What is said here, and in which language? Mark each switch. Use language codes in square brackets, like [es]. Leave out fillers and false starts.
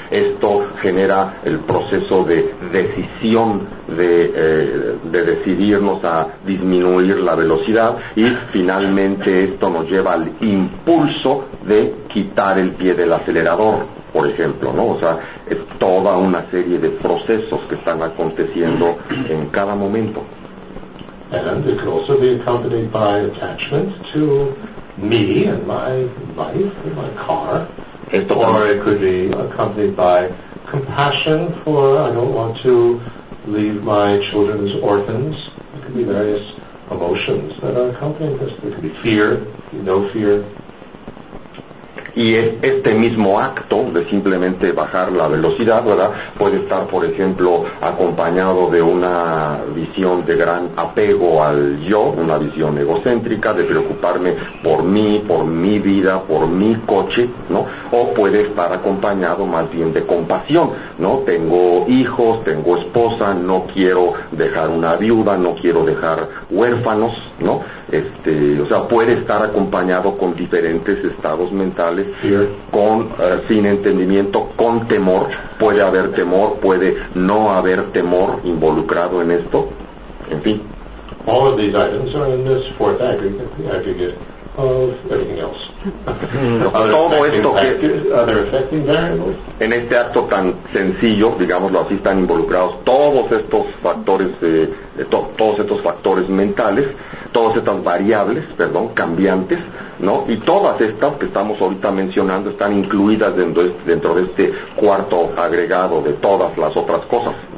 [es] Esto genera el proceso de decisión de decidirnos a disminuir la velocidad y finalmente esto nos lleva al impulso de quitar el pie del acelerador, por ejemplo, ¿no? O sea, es toda una serie de procesos que están aconteciendo en cada momento. [en] And it could also be accompanied by attachment to me and my life and my car. [es] Esto [en] or it could be accompanied by compassion for I don't want to leave my children as orphans. It could be various emotions that are accompanying this. It could be fear, no fear. [es] Y este mismo acto de simplemente bajar la velocidad, ¿verdad?, puede estar, por ejemplo, acompañado de una visión de gran apego al yo, una visión egocéntrica, de preocuparme por mí, por mi vida, por mi coche, ¿no? O puede estar acompañado más bien de compasión, ¿no? Tengo hijos, tengo esposa, no quiero dejar una viuda, no quiero dejar huérfanos, ¿no? O sea, puede estar acompañado con diferentes estados mentales, sin entendimiento, con temor. Puede haber temor, puede no haber temor involucrado en esto. En fin. [en] All of these items are in this fourth aggregate of everything else. [es] Todo esto que... [en] Other affecting variables. [es] En este acto tan sencillo, digámoslo así, están involucrados todos estos factores, todos estos factores mentales, todas estas variables, perdón, cambiantes, ¿no? Y todas estas que estamos ahorita mencionando están incluidas dentro de este cuarto agregado de todas las otras cosas.